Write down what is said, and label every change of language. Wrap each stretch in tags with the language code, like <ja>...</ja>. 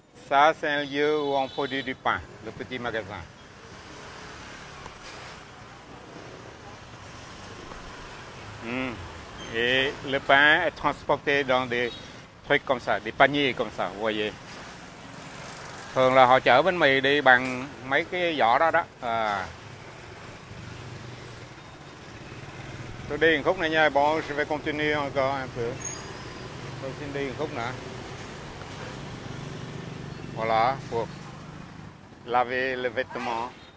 <fr>Ça c'est le lieu où on produit du pain, le petit magasin. Et le pain est transporté dans des trucs comme ça, des paniers comme ça, vous voyez.</fr> <vi>Thường là họ chở bánh mì đi bằng mấy cái giỏ đó đó. À. Tôi đi một khúc nữa nha,</vi> <fr>bon, je vais continuer encore un peu.</fr> <vi>Tôi xin đi một khúc nữa.</vi> <fr>Voilà, pour laver le vêtement.</fr>